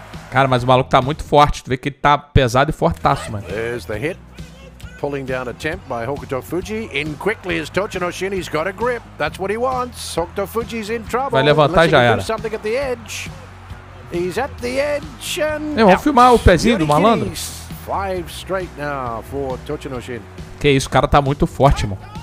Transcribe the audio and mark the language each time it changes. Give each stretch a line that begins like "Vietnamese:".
Portuguese: Cara, mas o maluco tá muito forte. Tu vê que ele tá pesado e fortaço, mano.
English: There's the hit. Pulling down attempt by Hokuto Fuji. In quickly is Tochinoshin. He's got a grip. That's what he wants. Hokuto Fuji's in trouble.
Portuguese: Vai levantar, já era.
English: Something at the edge. He's at the edge and...
Portuguese: Eu vou filmar o pezinho do malandro.
English: Five straight now for Tochinoshin.
Portuguese: Que isso, o cara tá muito forte, mano.